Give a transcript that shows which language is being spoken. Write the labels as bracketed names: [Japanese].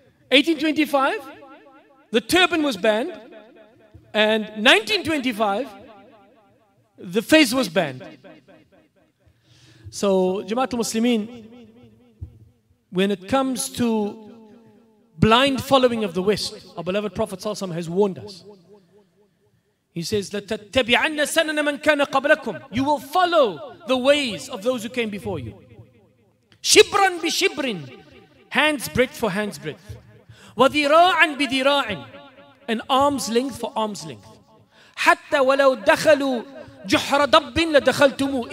[English] 1825, the turban was banned, and 1925, the fez was banned. So, Jamaat al-Muslimin, when it comes to blind following of the West, our beloved Prophet Sallallahu Alaihi Wasallam has warned us. He says, [Arabic] لَتَتَّبِعَنَّ سَنَنَ مَنْ كَانَ قَبْلَكُمْ. [English] You will follow the ways of those who came before you. [Arabic] شِبْرًا بِشِبْرٍ. [English] Hands breadth for hands breadth. [Arabic] وَذِرَاعًا بِذِرَاعٍ. [English] An arm's length for arm's length. [Arabic] حَتَّى وَلَوْ دَخَلُوا جُحْرَ دَبٍ لَدَخَلْتُمُ.